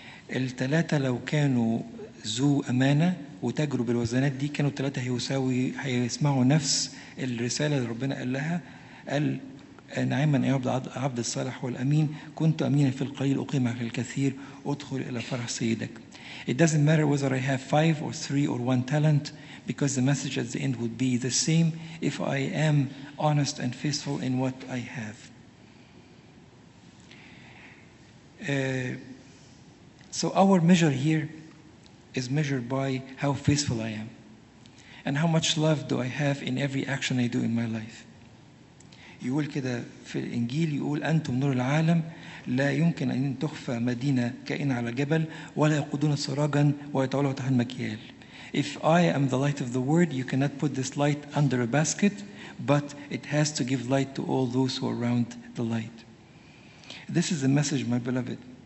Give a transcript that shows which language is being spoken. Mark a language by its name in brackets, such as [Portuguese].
[Arabic] التلاتة لو كانوا ذو أمانة وتجروا بالوزنات دي، كانوا التلاتة هيسمعوا نفس الرسالة اللي ربنا قال نعيما يا عبد الصالح والأمين، كنت أمينا في القليل أقيمة في الكثير، أدخل إلى فرح سيدك. [English] It doesn't matter whether I have 5 or 3 or 1 talent, because the message at the end would be the same if I am honest and faithful in what I have. So our measure here is measured by how faithful I am and how much love do I have in every action I do in my life. [Arabic] يقول كده في الإنجيل، يقول: أنتم نور العالم، لا يمكن أن تخفى مدينة كائن على جبل، ولا يقودون سراجا ويطولها تحت مكيال. [English] If I am the light of the world, you cannot put this light under a basket, but it has to give light to all those who are around the light. This is the message, my beloved.